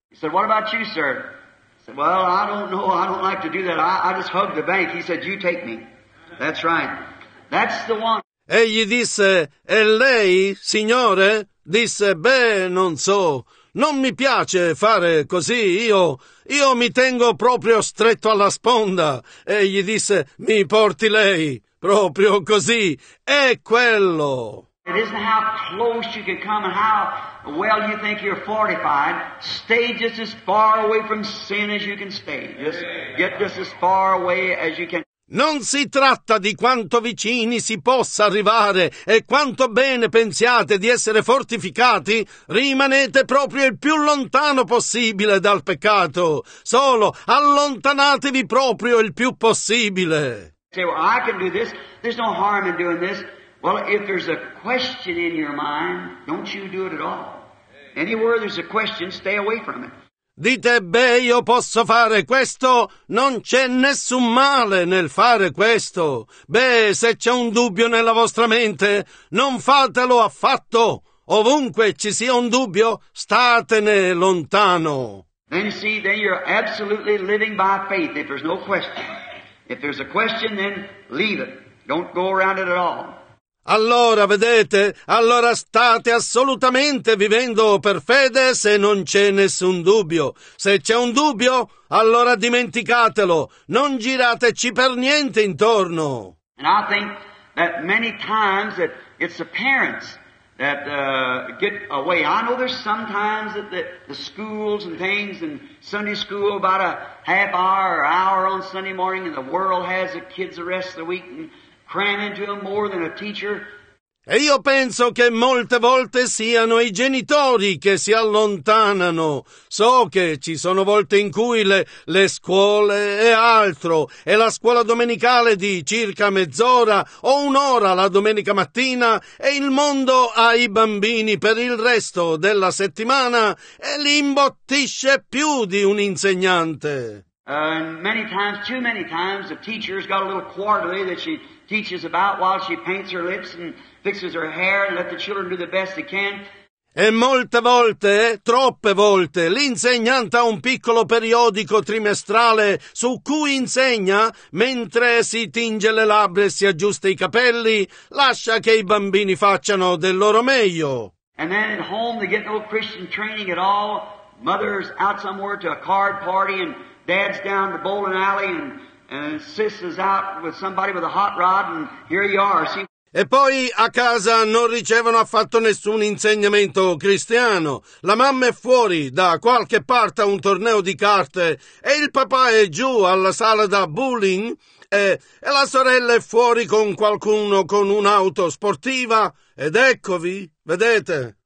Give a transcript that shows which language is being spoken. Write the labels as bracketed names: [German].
[English] He said, what about you, sir? Said, well, I don't know, I don't like to do that, I just hug the bank. He said, you take me. That's right. That's the one. [Italian] Egli disse, «E lei, signore?» Disse, «Beh, non so, non mi piace fare così, io mi tengo proprio stretto alla sponda». Egli disse, «Mi porti lei, proprio così, è quello». [English] It isn't how close you can come and how well you think you're fortified. Stay just as far away from sin as you can stay. Just get just as far away as you can. [Italian] Non si tratta di quanto vicini si possa arrivare e quanto bene pensiate di essere fortificati, rimanete proprio il più lontano possibile dal peccato. Solo allontanatevi proprio il più possibile. [English] Say, well, I can do this. There's no harm in doing this. Well, if there's a question in your mind, don't you do it at all. Anywhere there's a question, stay away from it. [Italian] Dite, beh, io posso fare questo, non c'è nessun male nel fare questo. Beh, se c'è un dubbio nella vostra mente, non fatelo affatto. Ovunque ci sia un dubbio, statene lontano. [English] Then you see, then you're absolutely living by faith if there's no question. If there's a question, then leave it. Don't go around it at all. [Italian] Allora, vedete, allora state assolutamente vivendo per fede se non c'è nessun dubbio. Se c'è un dubbio, allora dimenticatelo, non girateci per niente intorno. [English] And I think that many times that it's the parents that get away. I know there's sometimes that the schools and things and Sunday school about a half hour or hour on Sunday morning and the world has the kids the rest of the week and cram into them more than a teacher. [Italian] E io penso che molte volte siano i genitori che si allontanano. So che ci sono volte in cui le scuole e altro, e la scuola domenicale di circa mezz'ora o un'ora la domenica mattina, e il mondo ha i bambini per il resto della settimana e li imbottisce più di un insegnante. [English] Many times, the teacher's got a little quarterly that she teaches about while she paints her lips and fixes her hair and let the children do the best they can. [Italian] E molte volte, troppe volte, l'insegnante ha un piccolo periodico trimestrale su cui insegna, mentre si tinge le labbra e si aggiusta i capelli, lascia che i bambini facciano del loro meglio. [English] And then at home they get no Christian training at all. Mother's out somewhere to a card party and dad's down to bowling alley and sis is out with somebody with a hot rod and here you are. See? [Italian] E poi a casa non ricevono affatto nessun insegnamento cristiano. La mamma è fuori da qualche parte a un torneo di carte e il papà è giù alla sala da bowling e la sorella è fuori con qualcuno con un'auto sportiva ed eccovi, vedete.